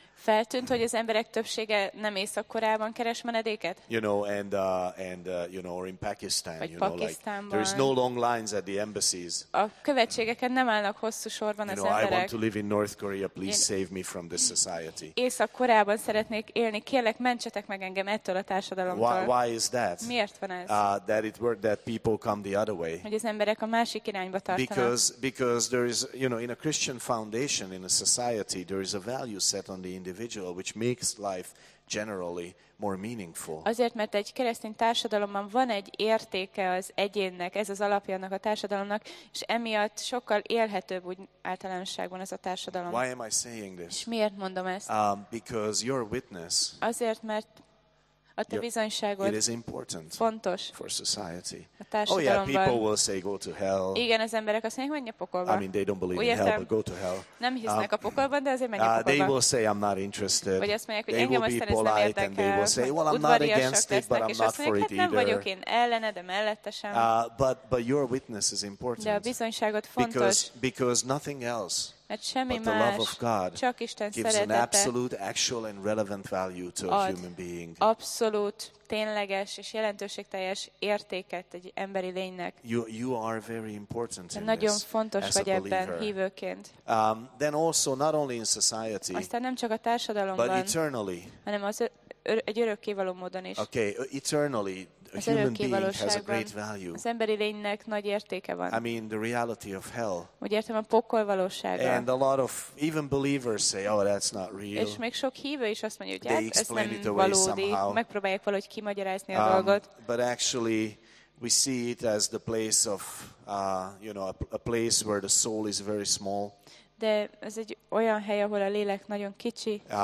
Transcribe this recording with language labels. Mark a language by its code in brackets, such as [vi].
[hu] Feltűnt, hogy az emberek többsége nem Észak-Koreában keres menedéket? [en] You know, or in Pakistan, [hu] vagy [en] you know, [hu] Pakisztánban. [en] Like there is no long lines at the embassies. [hu] A követségeken nem állnak hosszú sorban [en] you [hu] az [en] know, [hu] emberek. [en] I want to live in North Korea, please save me from this society. [hu] Észak-Koreában szeretnék élni, kérlek mentsetek meg engem ettől a társadalomtól. [en] Why is that? [hu] Miért van ez? [en] That it worked that people come the other way. [hu] Hogy az emberek a másik irányba tartanak. [en] Because there is, you know, in a Christian foundation, in a society, there is a value set on the individual, which makes life generally more meaningful. [hu] Azért, mert egy keresztény társadalomban van egy értéke az egyénnek, ez az alapja annak a társadalomnak, és emiatt sokkal élhetőbb úgy általánosságban ez a társadalom. [en] Why am I saying this? [hu] És miért mondom ezt? [en] Because your witness. [hu] Azért, mert a te bizonyságod. [en] It is important. [hu] Fontos. [en] For society. [hu] A társadalomban. [en] Oh yeah, people will say go to hell. [hu] Igen, az emberek azt mondják, menj a pokolba. [en] I mean, they don't believe in hell, but go to hell. [hu] Nem hisznek a pokolban, de azért menj a pokolba. [en] They will say I'm not interested. [hu] Vagy azt mondják, hogy [en] they [hu] engem aztán ez nem érdekel. [en] And they will say, well, I'm not against it, but I'm not for it either. [hu] Nem vagyok én ellene, de mellette sem. [en] But your witness is important. [hu] De a bizonyságod fontos. [en] Because nothing else. [hu] Mert semmi [en] but the love of God [hu] csak Isten [en] gives [hu] szeretete [en] an absolute, actual and relevant value to a human being. [hu] Abszolút, tényleges és jelentőségteljes értéket egy emberi lénynek. [en] You are very important in [hu] nagyon [en] this [hu] fontos [en] as [hu] vagy [en] a [hu] ebben hívőként. [en] Then also not only in society, [hu] aztán nem csak a társadalomban, [en] but eternally, [hu] hanem az egy örökkévaló módon is. [en] Okay, eternally. A human being has a great value. [hu] Az emberi lénynek nagy értéke van. [en] I mean the reality of hell. [hu] Úgy értem a pokol valósága. [en] And a lot of even believers say, oh, that's not real. [hu] És még sok hívő is azt mondja, hogy [en] they [hu] ez nem valódi. Megpróbálják valahogy kimagyarázni a dolgot. [en] But actually, we see it as the place of, a place where the soul is very small. [hu] De ez egy olyan hely, ahol a lélek nagyon kicsi.